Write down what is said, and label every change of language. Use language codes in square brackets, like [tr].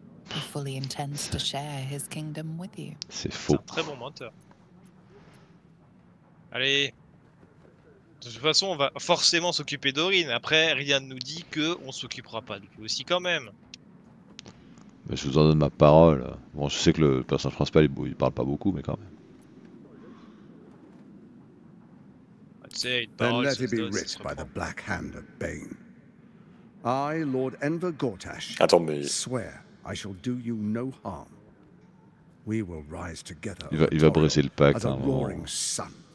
[en] He fully intends to share his kingdom with you. [fr] C'est faux. C'est un très bon menteur. Allez. De toute façon, on va forcément s'occuper d'Aurine. Après, rien ne nous dit qu'on s'occupera pas de lui aussi quand même. Mais je vous en donne ma parole. Bon, je sais que le personnage principal, il parle pas beaucoup, mais quand même. [en] Then let it be writ by the Black Hand of Bane. I, Lord Enver Gortash, Attends, swear I shall do you no harm. We will rise together. [fr] Il va briser le pacte, hein, [en] roaring sun.